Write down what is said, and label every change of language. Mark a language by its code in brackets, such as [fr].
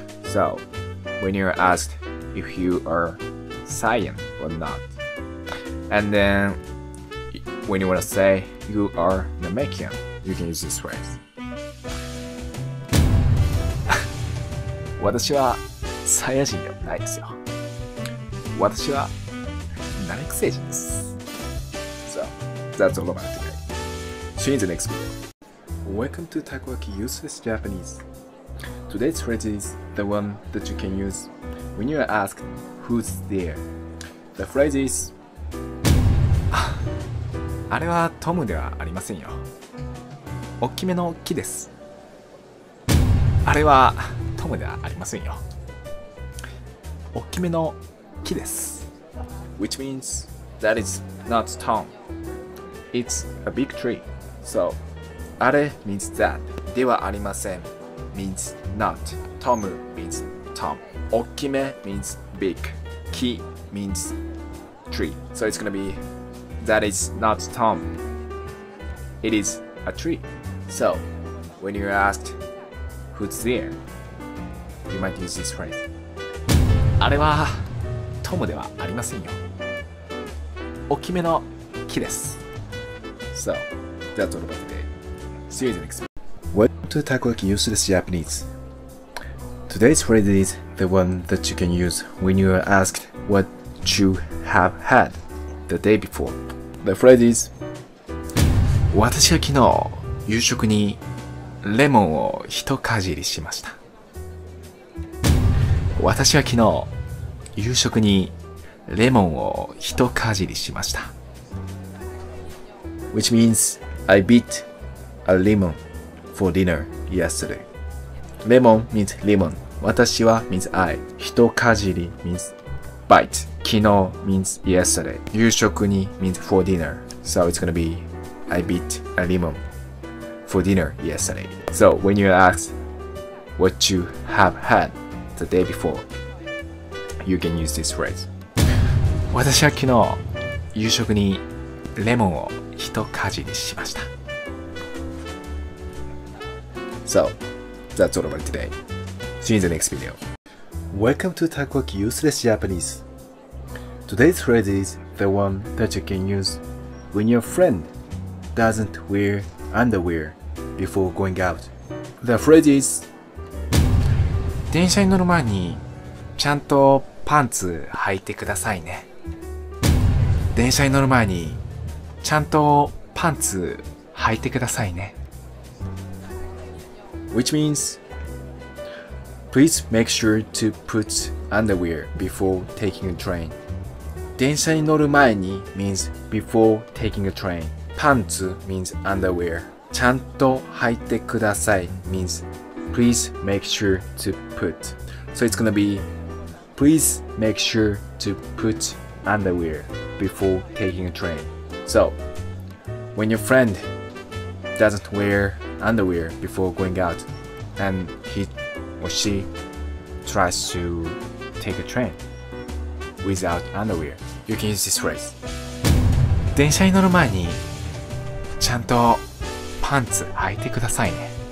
[en] So when you're asked if you are Saiyan or not, and then when you wanna say you are Namekian, you can use this phrase. [ja] 私はサイヤ人ではないですよ。私はナメック星人です。 [en] So, that's all about today. See you in the next video. Welcome to Takuaki Useless Japanese. Today's phrase is the one that you can use when you are asked who's there. The phrase is [ja] あれはトムではありませんよ。大きめの木です。あれはトムではありませんよ。大きめの木です。 [en] Which means that is not Tom. It's a big tree. So, あれ means that. [ja] ではありません [en] means not. Tom means Tom. 大きめ means big. 木 means tree. So it's gonna be that is not Tom. It is a tree. So, when you're asked who's there,You might use this phrase. [ja] あれはトムではありませんよ。大きめの木です。 [en] So, that's all about today. See you in the next video. Welcome to Takuaki Useless Japanese. Today's phrase is the one that you can use when you are asked what you have had the day before. The phrase is [ja] 私は昨日夕食にレモンを一かじりしました。私は昨日夕食にレモンを一かじりしました。 [en] Which means I bit a lemon for dinner yesterday. レモン means lemon. 私は means I. 一かじり means bite. 昨日 means yesterday. 夕食に means for dinner. So it's gonna be I bit a lemon for dinner yesterday. So when you ask what you have had. The day before, you can use this phrase. [ja] 私は昨日夕食にレモンを一かじりしました。 [en] So, that's all about today. See you in the next video. Welcome to Takuaki Useless Japanese. Today's phrase is the one that you can use when your friend doesn't wear underwear before going out. The phrase is. [ja] 電車に乗る前にちゃんとパンツ履いてくださいね。電車に乗る前にちゃんとパンツ履いてくださいね。 [en] Which means, please make sure to put underwear before taking a train. [ja] 電車に乗る前に [en] means before taking a train. パンツ means underwear. [ja] ちゃんと履いてください [en] means. Please make sure to put. So it's gonna be Please make sure to put underwear before taking a train. So, when your friend doesn't wear underwear before going out and he or she tries to take a train without underwear, you can use this phrase. [ja] 電車に乗る前にちゃんとパンツ履いてくださいね。